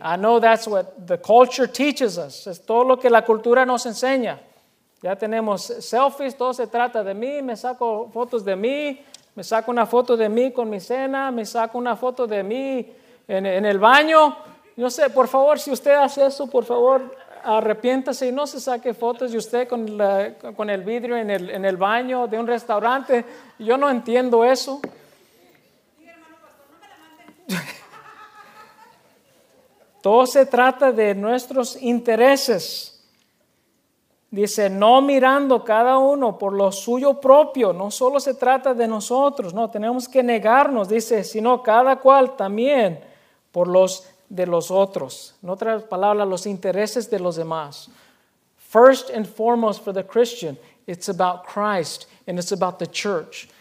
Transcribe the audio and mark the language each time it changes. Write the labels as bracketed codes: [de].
[en] I know that's what the culture teaches us. [es] Es todo lo que la cultura nos enseña. Ya tenemos selfies, todo se trata de mí. Me saco fotos de mí. Me saco una foto de mí con mi cena. Me saco una foto de mí en el baño. No sé, por favor, si usted hace eso, por favor, arrepiéntase y no se saque fotos de usted con el vidrio en el baño de un restaurante. Yo no entiendo eso. Todo se trata de nuestros intereses. Dice, no mirando cada uno por lo suyo propio. No solo se trata de nosotros. No, tenemos que negarnos. Dice, sino cada cual también por los de los otros. En otras palabras, los intereses de los demás. [en] First and foremost for the Christian, it's about Christ and it's about the church.